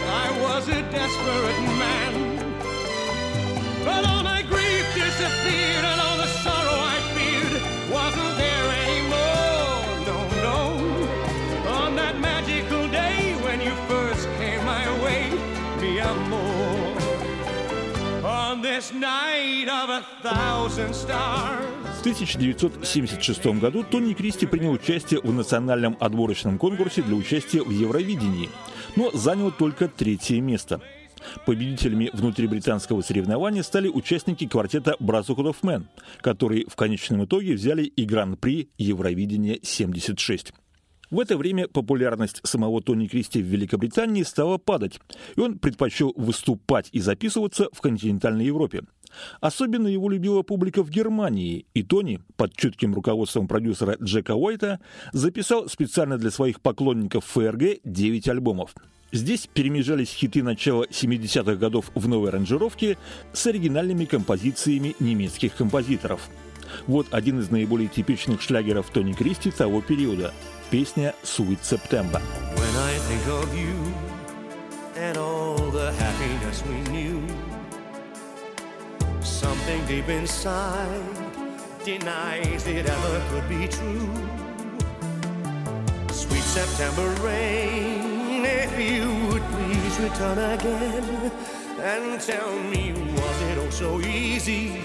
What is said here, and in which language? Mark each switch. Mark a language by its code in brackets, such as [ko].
[en] I was a desperate man. But all my grief disappeared and all the sorrow I feared wasn't there anymore. No, no. On that magical day when you first came my way, [es] mi amor. [en] On this night of a thousand stars. [ru] В 1976 году Тони Кристи принял участие в национальном отборочном конкурсе для участия в Евровидении, но занял только третье место. Победителями внутрибританского соревнования стали участники квартета Brotherhood of Man, которые в конечном итоге взяли и гран-при Евровидения 76. В это время популярность самого Тони Кристи в Великобритании стала падать, и он предпочел выступать и записываться в континентальной Европе. Особенно его любила публика в Германии, и Тони, под чутким руководством продюсера Джека Уайта, записал специально для своих поклонников ФРГ 9 альбомов. Здесь перемежались хиты начала 70-х годов в новой аранжировке с оригинальными композициями немецких композиторов. Вот один из наиболее типичных шлягеров Тони Кристи того периода – песня «Sweet September». [en] When I think of you and all the happiness we knew, something deep inside denies it ever could be true. Sweet September rain, if you would please return again and tell me, was it all so easy?